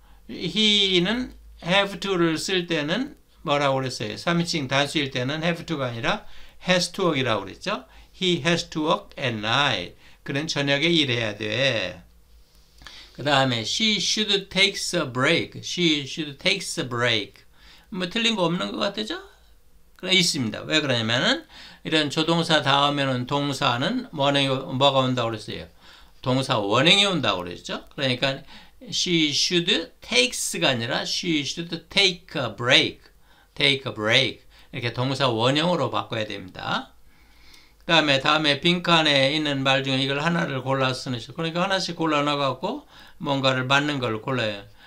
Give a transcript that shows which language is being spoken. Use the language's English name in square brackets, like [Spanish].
[Korean] he는 have to를 쓸 때는 뭐라고 그랬어요? 3인칭 단수일 때는 have to가 아니라 has to work이라고 그랬죠? [English] he has to work and I. [Korean] 그는 저녁에 일해야 돼. 그 다음에 [English] she should take a break. she should take a break. [Korean] 뭐 틀린 거 없는 것 같죠? 그래 있습니다. 왜 그러냐면은 이런 조동사 다음에는 동사는 뭐가 온다고 그랬어요? 동사 원형이 온다고 그랬죠? 그러니까 [English] she should takes가 아니라 she should take a break. take a break. [Korean] 이렇게 동사 원형으로 바꿔야 됩니다. 다음에 빈칸에 있는 말 중에 이걸 하나를 골라서 쓰는 식. 그러니까 하나씩 골라놔갖고 뭔가를 맞는 걸 골라요.